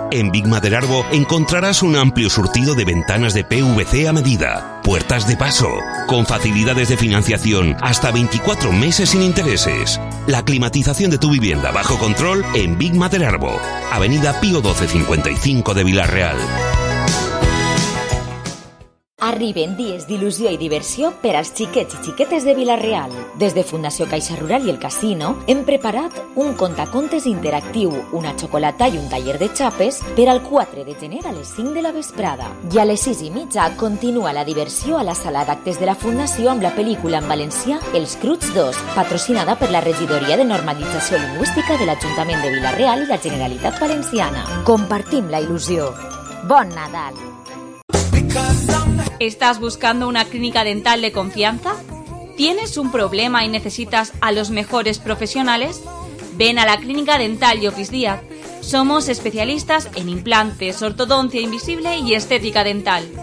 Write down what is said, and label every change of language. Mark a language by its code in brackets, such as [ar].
[es] En Big Mother Arbo encontrarás un amplio surtido de ventanas de PVC a medida, puertas de paso, con facilidades de financiación hasta 24 meses sin intereses. La climatización de tu vivienda bajo control en Big Mother Arbo, Avenida Pío 1255 de Vila Real. [ca] Arriben dies d'il·lusió i diversió per als xiquets i xiquetes de Vila-real. Des de Fundació Caixa Rural i el Casino hem preparat un contacontes interactiu, una xocolata i un taller de xapes per al 4 de gener a les 5 de la vesprada. I a les 6 i mitja continua la diversió a la sala d'actes de la Fundació amb la pel·lícula en valencià Els Cruts 2, patrocinada per la Regidoria de Normalització Lingüística de l'Ajuntament de Vila-real i la Generalitat Valenciana. Compartim la il·lusió. Bon Nadal! [es] ¿Estás buscando una clínica dental de confianza? ¿Tienes un problema y necesitas a los mejores profesionales? Ven a la Clínica Dental Llopis Díaz. Somos especialistas en implantes, ortodoncia invisible y estética dental.